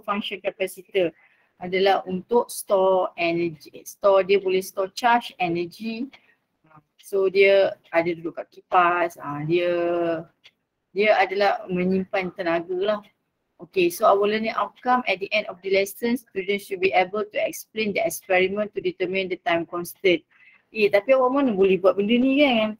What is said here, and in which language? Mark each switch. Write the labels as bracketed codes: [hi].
[ms] Function capacitor adalah untuk [en] store energy. [ms] Store, dia boleh store charge energy. So dia ada duduk kat kipas. Dia adalah menyimpan tenaga lah. [en] Okay, so our learning outcome at the end of the lesson, students should be able to explain the experiment to determine the time constant. [ms] Eh, tapi awak mana boleh buat benda ni kan?